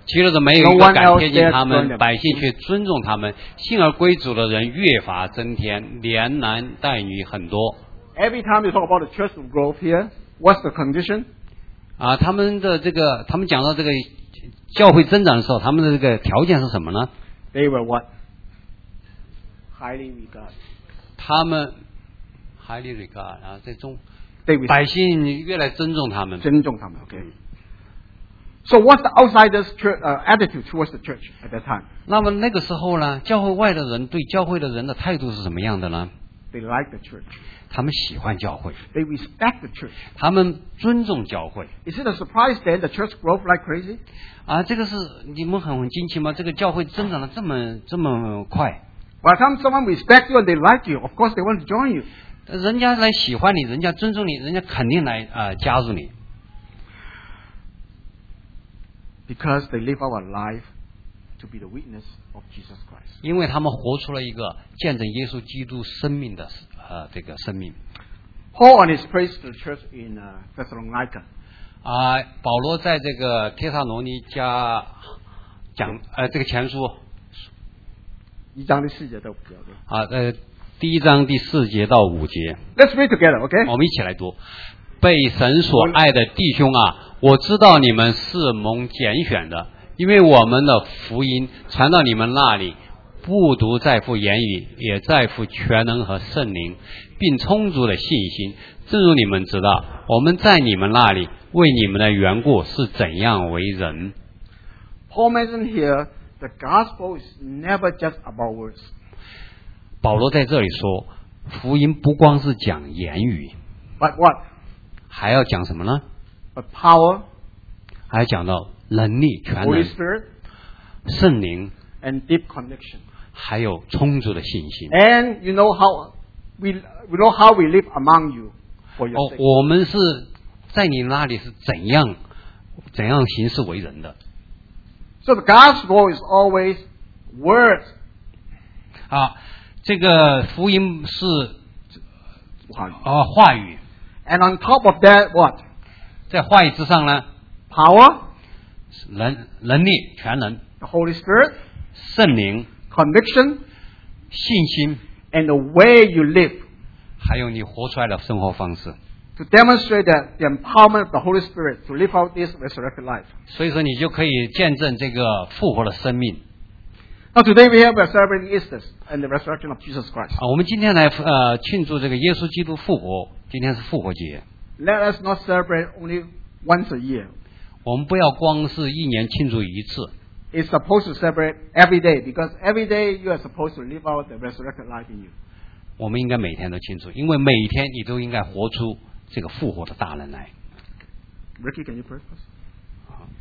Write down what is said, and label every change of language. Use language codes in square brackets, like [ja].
[zh] 其余的人没有一个敢贴近他们，百姓却尊重他们，信而归主的人越发增添，连男带女很多。 [en] Every time you talk about the church growth here, what's the condition? [zh] 他们的这个，他们讲到这个。教会增长的时候，他们的这个条件是什么呢 [en] ？They were what? Highly regarded. [zh] 他们 [en] highly regarded [zh] 啊，在中 [en] they were, [zh] 百姓越来尊重他们，尊重他们。OK. [en] So what's the outsider's church, attitude towards the church at that time? [zh] 那么那个时候呢，教会外的人对教会的人的态度是什么样的呢 [en] ？They like the church. [zh] 他们喜欢教会。 [en] They respect the church. [zh] 他们尊重教会。 [en] Is it a surprise then the church grew like crazy? [zh] 这个是你们很惊奇吗？这个教会增长了这么快。 [en] Well, come someone respect you and they like you. Of course, they want to join you. [zh] 人家来喜欢你，人家尊重你，人家肯定来加入你。 [en] Because they live our life to be the witness of Jesus Christ. [zh] 因为他们活出了一个见证耶稣基督生命的这个生命。 [en] Paul and his priest to the church in Thessalonica. [zh] 保罗在这个帖撒罗尼迦讲这个前书一章第四节到五节第一章第四节到五节 [en] Let's read together, okay? [zh] 我们一起来读被神所爱的弟兄啊我知道你们是蒙拣选的因为我们的福音传到你们那里不独在乎言语也在乎全能和圣灵并充足的信心正如你们知道我们在你们那里为你们的缘故是怎样为人 [en] Paul mentioned here the gospel is never just about words [zh] 保罗在这里说福音不光是讲言语 [en] but what [zh] 还要讲什么呢 [en] but power [zh] 还讲到能力全能 [en] Holy Spirit [zh] 圣灵 [en] and deep conviction [zh] 还有充足的信心 [en] and you know how we know how we live among you for your sake [zh] 我们是在你那里是怎样行事为人的 [en] So the gospel is always words [zh] 这个福音是话语 [en] And on top of that what? [zh] 在话语之上呢 [en] Power [zh] 能力全能 [en] The Holy Spirit [zh] 圣灵 [en] Conviction [zh] 信心 [en] And the way you live [zh] 还有你活出来的生活方式 [en] To demonstrate that the empowerment of the Holy Spirit to live out this resurrected life. [zh] 所以说你就可以见证这个复活的生命。 [en] Now today we are celebrating Easter and the resurrection of Jesus Christ. [zh] 我们今天来庆祝这个耶稣基督复活，今天是复活节。 [en] Let us not celebrate only once a year. [zh] 我们不要光是一年庆祝一次。 [en] It's supposed to celebrate every day because every day you are supposed to live out the resurrected life in you. [zh] 我们应该每天都庆祝，因为每天你都应该活出。这个复活的大人来。 [en] Ricky, can you pray for us?